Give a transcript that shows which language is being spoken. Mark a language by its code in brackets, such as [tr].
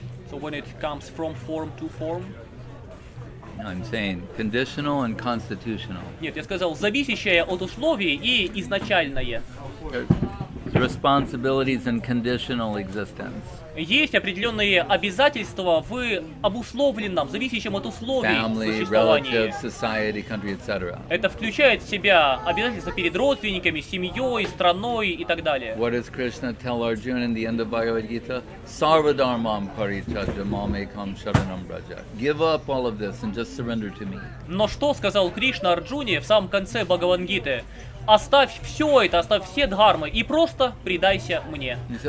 [en] So when it comes from form to form. I'm saying conditional and constitutional. [ru] Нет, я сказал зависящее от условий и изначальное. [en] Responsibilities and conditional existence. [ru] Есть определенные обязательства в обусловленном, зависящем от условий [en] family, [ru] существовании. [en] Relative, society, country, etc. [ru] Это включает в себя обязательства перед родственниками, семьей, страной и так далее. [en] What does Krishna tell Arjuna in the end of Bhagavad Gita? [sa] Sarvadharmam parityaja mamekam sharanam braja. [en] Give up all of this and just surrender to me. [ru] Но что сказал Кришна Арджуне в самом конце Бхагавад Гиты? Оставь все это, оставь все дхармы и просто предайся мне.